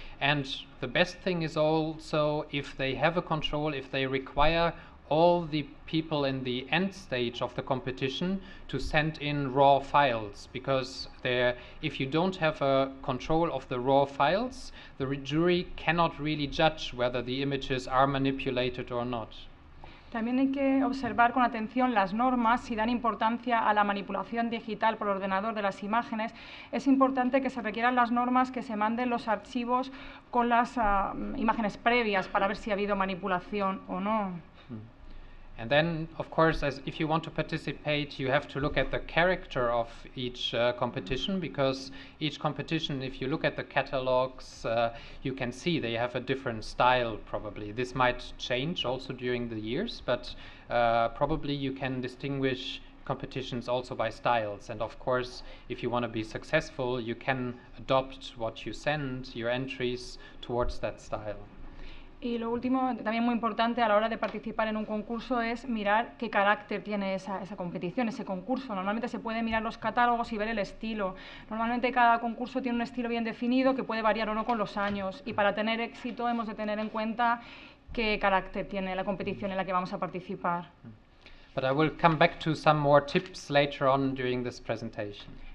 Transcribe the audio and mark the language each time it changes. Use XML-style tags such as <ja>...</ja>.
<en>And the best thing is also if they have a control, if they require all the people in the end stage of the competition to send in raw files, because if you don't have a control of the raw files, the jury cannot really judge whether the images are manipulated or not.</en> <es>También hay que observar con atención las normas. Si dan importancia a la manipulación digital por ordenador de las imágenes, es importante que se requieran las normas que se manden los archivos con las imágenes previas para ver si ha habido manipulación o no.</es> <en>And then, of course, if you want to participate, you have to look at the character of each competition, because each competition, if you look at the catalogs, you can see they have a different style, probably. This might change also during the years, but probably you can distinguish competitions also by styles. And of course, if you want to be successful, you can adopt what you send, your entries, towards that style.</en> <es>Y lo último, también muy importante a la hora de participar en un concurso, es mirar qué carácter tiene esa competición, ese concurso. Normalmente se puede mirar los catálogos y ver el estilo. Normalmente cada concurso tiene un estilo bien definido que puede variar o no con los años. Y para tener éxito hemos de tener en cuenta qué carácter tiene la competición en la que vamos a participar.</es> <en>But I will come back to some more tips later on during this presentation.</en>